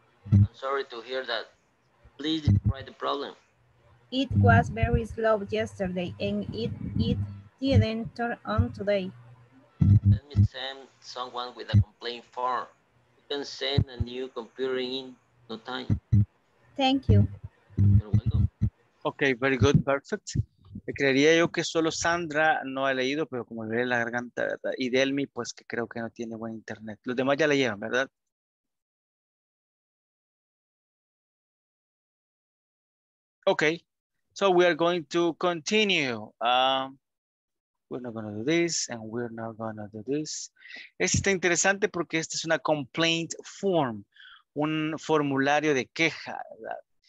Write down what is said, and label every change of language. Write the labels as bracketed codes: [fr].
[en] I'm sorry to hear that. Please describe the problem. It was very slow yesterday and it didn't turn on today. Let me send someone with a complaint form. You can send a new computer in no time. Thank you. You're welcome. Okay, very good, perfect. [es] Creería yo que solo Sandra no ha leído, pero como le ve la garganta, ¿verdad? Y Delmi, pues que creo que no tiene buen internet. Los demás ya leyeron, ¿verdad? [en] Ok, so we are going to continue. We're not going to do this, and we're not going to do this. [es] Este está interesante porque este es una complaint form, un formulario de queja, ¿verdad?